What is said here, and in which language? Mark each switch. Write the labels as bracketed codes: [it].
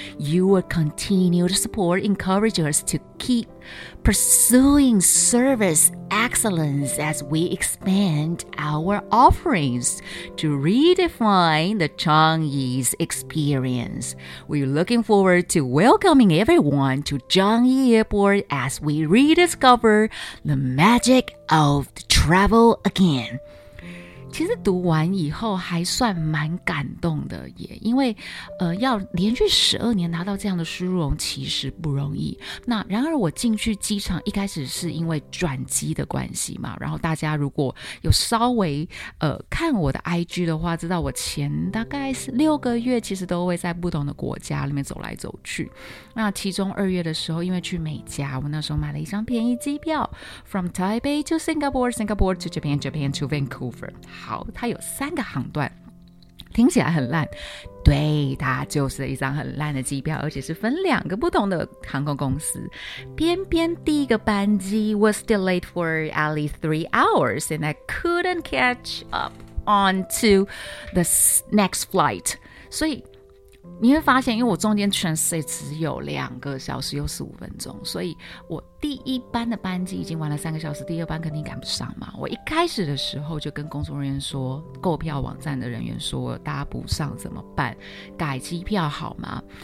[en] Your continued support encourages us to keep pursuing service excellence as we expand our offerings to redefine the Changi's experience. We're looking forward to welcoming everyone to Changi Airport as we rediscover the magic of travel again. [zh] 其实读完以后还算蛮感动的耶，因为要连续12年拿到这样的殊荣其实不容易。那然而我进去机场一开始是因为转机的关系嘛，然后大家如果有稍微看我的 IG 的话，知道我前大概是6个月其实都会在不同的国家里面走来走去。那其中2月的时候因为去美加，我那时候买了一张便宜机票 From Taipei to Singapore, Singapore to Japan, Japan to Vancouver。好，它有3个航段，听起来很烂，对，它就是一张很烂的机票，而且是分2个不同的航空公司。 [en] 偏偏第一个班机 was delayed for at least 3 hours, and I couldn't catch up on to the next flight. [zh] 所以你会发现，因为我中间 transit 只有2个小时又15分钟，所以我第一班的班机已经玩了3个小时，第二班肯定赶不上嘛。我一开始的时候就跟工作人员说，购票网站的人员说，搭不上怎么办，改机票好吗？